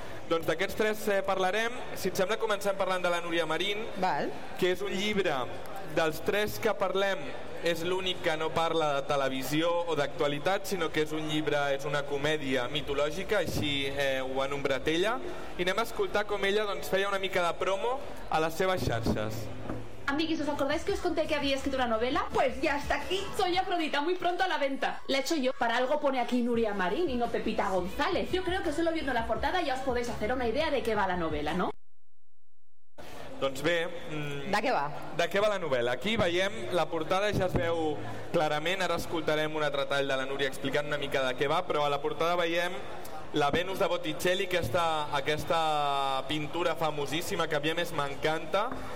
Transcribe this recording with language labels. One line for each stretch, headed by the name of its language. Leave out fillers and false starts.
Catalan: Doncs d'aquests tres parlarem. Si et sembla, comencem parlant de la Núria Marín. Val. Que és un llibre dels tres que parlem, és l'únic que no parla de televisió o d'actualitat, sinó que és un llibre, és una comèdia mitològica, així ho ha nombrat ella. I anem a escoltar com ella doncs, feia una mica de promo a les seves xarxes.
Spanish: Amiguis, ¿os acordáis que os conté que había escrito una novela? Pues ya está aquí, soy Afrodita, muy pronto a la venta. La he hecho yo, para algo pone aquí Núria Marín y no Pepita González. Yo creo que solo viendo la portada ya os podéis hacer una idea de qué va la novela, ¿no?
Catalan: Doncs bé... De què va? De què va la novel·la? Aquí veiem la portada, ja es veu clarament, ara escoltarem un altre tall de la Núria explicant una mica de què va, però a la portada veiem la Venus de Botticelli, aquesta pintura famosíssima que a mi a més m'encanta.